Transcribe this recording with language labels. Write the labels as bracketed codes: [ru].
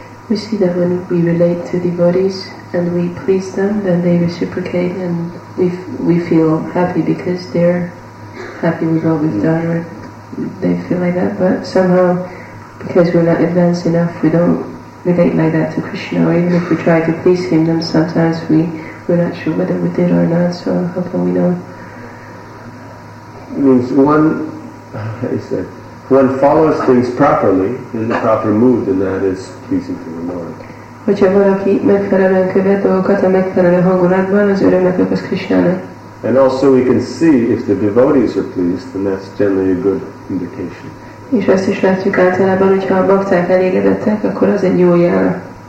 [en] We see that when we relate to devotees and we please them, then they reciprocate and we feel happy because they're happy with what we've done, or they feel like that, but somehow because we're not advanced enough, we don't relate like that to Krishna, or even if we try to please him, then sometimes we're not sure whether we did or not, so how can we know? Means one, I said, one follows things properly in the proper mood, and that is pleasing to the Lord. [hu] Hogyha valaki megfelelően követ dolgokat a megfelelő hangulatban, az örömetek az Krisnának. [en] And also we can see if the devotees are pleased, and that's generally a good indication. [hu] És azt is látjuk általában, hogyha a bakták elégedettek, akkor az egy jó jel.